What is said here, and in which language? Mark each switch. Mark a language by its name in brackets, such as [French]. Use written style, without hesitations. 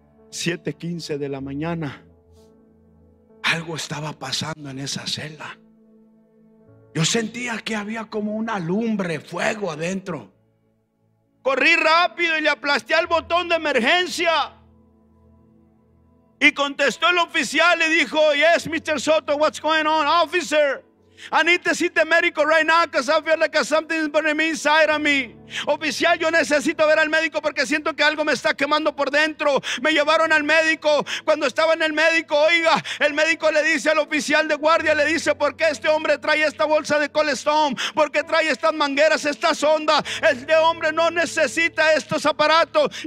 [Spanish] 7:15 de la mañana, algo estaba pasando en esa celda. Yo sentía que había como una lumbre, fuego adentro. Corrí rápido y le aplasté al botón de emergencia. Y contestó el oficial y dijo, [English] yes, Mr. Soto, what's going on? Officer, I need to see the medical right now because I feel like something's burning me inside of me. [Spanish] Oficial, yo necesito ver al médico porque siento que algo me está quemando por dentro. Me llevaron al médico. Cuando estaba en el médico, oiga, el médico le dice al oficial de guardia, le dice, ¿por qué este hombre trae esta bolsa de colestón? ¿Por qué trae estas mangueras, esta sonda? Este hombre no necesita estos aparatos.